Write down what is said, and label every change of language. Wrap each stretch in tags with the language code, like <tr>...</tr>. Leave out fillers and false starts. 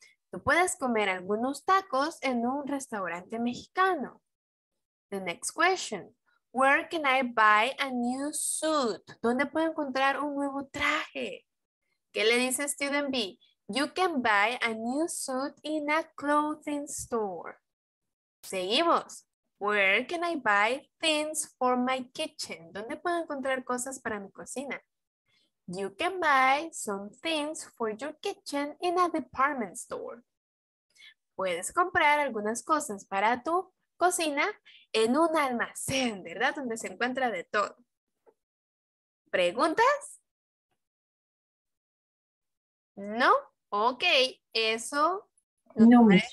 <es>Tú puedes comer algunos tacos en un restaurante mexicano.</es> <en>The next question, where can I buy a new suit?</en> <es>¿Dónde puedo encontrar un nuevo traje? ¿Qué le dice Student B?</es> <en>You can buy a new suit in a clothing store.</en> <es>Seguimos.</es> <en>Where can I buy things for my kitchen?</en> <es>¿Dónde puedo encontrar cosas para mi cocina?</es> <en>You can buy some things for your kitchen in a department store.</en> <es>Puedes comprar algunas cosas para tu cocina en un almacén, ¿verdad? Donde se encuentra de todo. ¿Preguntas? ¿No? Ok, eso... No.</es>